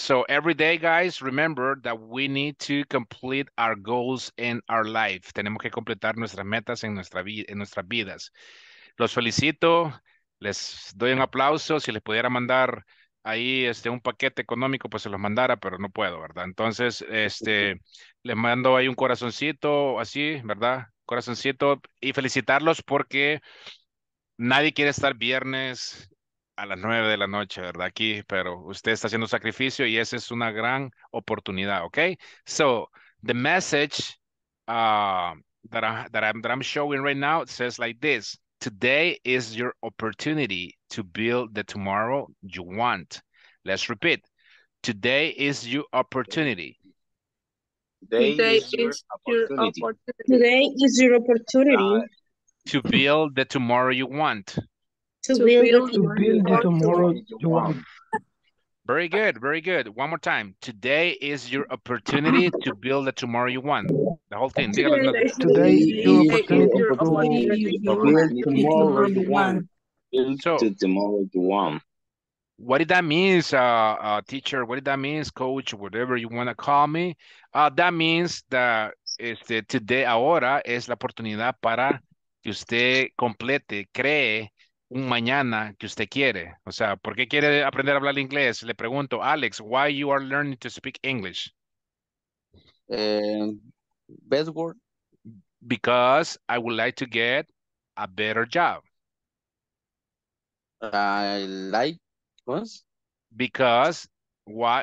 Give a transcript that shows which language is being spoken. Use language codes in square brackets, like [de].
[en] So every day, guys, remember that we need to complete our goals in our life. [es] Tenemos que completar nuestras metas en nuestras vidas. Los felicito, les doy un aplauso. Si les pudiera mandar ahí un paquete económico, pues se los mandara, pero no puedo, ¿verdad? Entonces, les mando ahí un corazoncito, así, ¿verdad? Corazoncito y felicitarlos porque nadie quiere estar viernes a las 9 de la noche, ¿verdad? Aquí, pero usted está haciendo sacrificio y esa es una gran oportunidad, ¿ok? [en] So, the message that I'm showing right now says like this: Today is your opportunity to build the tomorrow you want. Let's repeat. Today is your opportunity. Today Today is your is your opportunity. opportunity. Today is your opportunity To build the tomorrow you want. to build To build the tomorrow tomorrow you want. Very good, very good. One more time. Today is your opportunity to build the tomorrow you want. The whole thing. [es] Dígalo de nuevo. [en] Today is your Today opportunity is your opportunity to build tomorrow you want. So, To tomorrow you want. what did that mean, teacher? What did that mean, coach? Whatever you want to call me. That means that today, [es] ahora, es la oportunidad para que usted complete, cree un mañana que usted quiere. O sea, ¿por qué quiere aprender a hablar inglés? Le pregunto, [en] Alex, why you are learning to speak English? Best word. Because I would like to get a better job. I like was Because why